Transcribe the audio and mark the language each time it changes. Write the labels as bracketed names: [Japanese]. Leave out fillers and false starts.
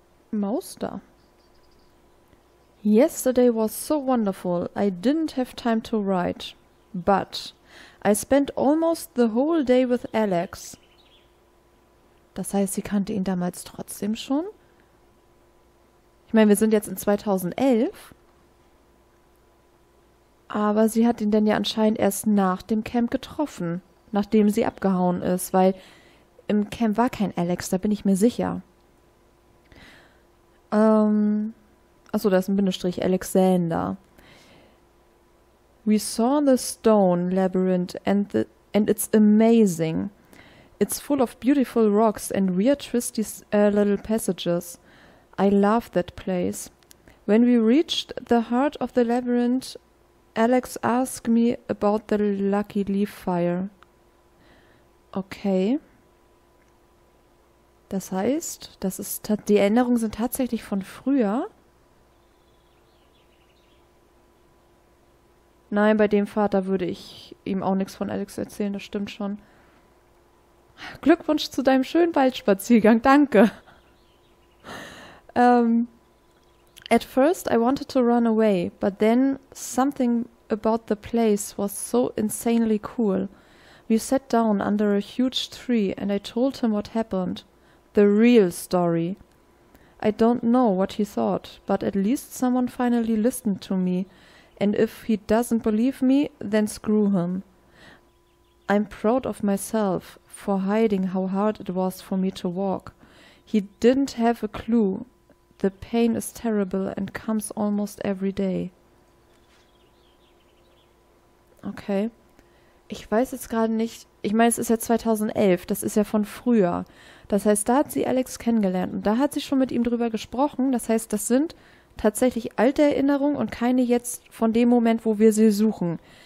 [German] Maus da. [English] Yesterday was so wonderful. I didn't have time to write. But I spent almost the whole day with Alex. [German] Das heißt, sie kannte ihn damals trotzdem schon. Ich meine, wir sind jetzt in 2011. Aber sie hat ihn dann ja anscheinend erst nach dem Camp getroffen. Nachdem sie abgehauen ist. Weil im Camp war kein Alex, da bin ich mir sicher. Achso, da ist ein Bindestrich, Alexander. [English] We saw the stone labyrinth and it's amazing. It's full of beautiful rocks and weird twisty little passages. I love that place. When we reached the heart of the labyrinth, Alex asked me about the lucky leaf fire. Okay. [German] Das heißt, das ist, die Erinnerungen sind tatsächlich von früher. Nein, bei dem Vater würde ich ihm auch nichts von Alex erzählen, das stimmt schon. Glückwunsch zu deinem schönen Waldspaziergang, danke. [English] At first I wanted to run away, but then something about the place was so insanely cool. We sat down under a huge tree and I told him what happened. The real story. I don't know what he thought, but at least someone finally listened to me. And if he doesn't believe me, then screw him. I'm proud of myself for hiding how hard it was for me to walk. He didn't have a clue. The pain is terrible and comes almost every day. Okay. [German] Ich weiß jetzt gerade nicht, ich meine, es ist ja 2011, das ist ja von früher. Das heißt, da hat sie Alex kennengelernt und da hat sie schon mit ihm drüber gesprochen. Das heißt, das sind tatsächlich alte Erinnerungen und keine jetzt von dem Moment, wo wir sie suchen.